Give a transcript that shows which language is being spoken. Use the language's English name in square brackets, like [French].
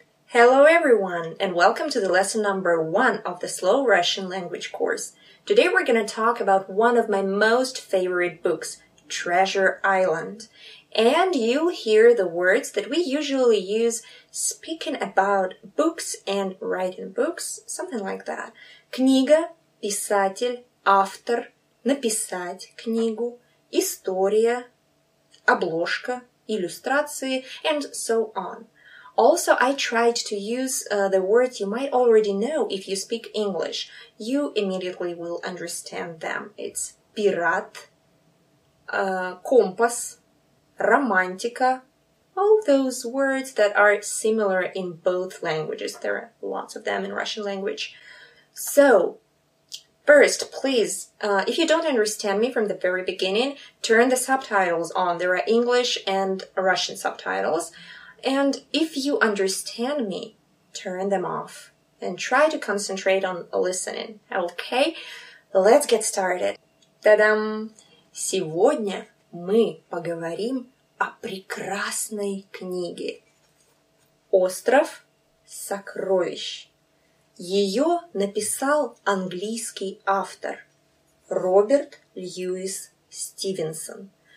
[English] Hello everyone, and welcome to the lesson number one of the Slow Russian Language course. Today we're going to talk about one of my most favorite books, Treasure Island. And you'll hear the words that we usually use speaking about books and writing books, something like that. [Russian] Книга, писатель, автор, написать книгу, история, обложка, иллюстрации, [English] and so on. Also, I tried to use the words you might already know if you speak English. You immediately will understand them. It's [Russian] пират, компас, романтика. [English] All those words that are similar in both languages. There are lots of them in Russian language. So, first, please, if you don't understand me from the very beginning, turn the subtitles on. There are English and Russian subtitles. And if you understand me, turn them off and try to concentrate on listening. Okay, let's get started. Та-дам! [Russian] Сегодня мы поговорим о прекрасной книге. Остров сокровищ. Ее написал английский автор Роберт Льюис Стивенсон.